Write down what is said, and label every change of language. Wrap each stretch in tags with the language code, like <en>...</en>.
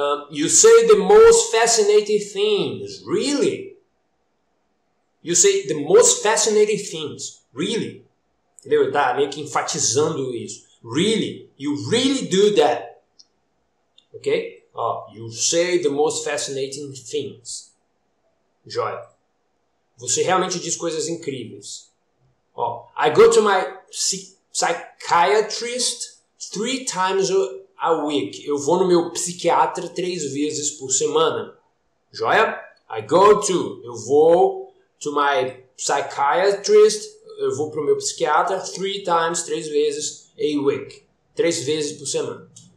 <en>You say the most fascinating things. Really? You say the most fascinating things. Really?</en> <pt>Entendeu? Ele tá meio que enfatizando isso.</pt> <en>Really? You really do that? Ok? You say the most fascinating things.</en> <pt>Joia. Você realmente diz coisas incríveis.</pt> <en>Ó, I go to my psychiatrist 3 times a week.</en> <pt>Eu vou no meu psiquiatra 3 vezes por semana. Joia? Eu vou</pt> <en>to my psychiatrist.</en> <pt>Eu vou pro meu psiquiatra 3 times, 3 vezes a week. 3 vezes por semana.</pt>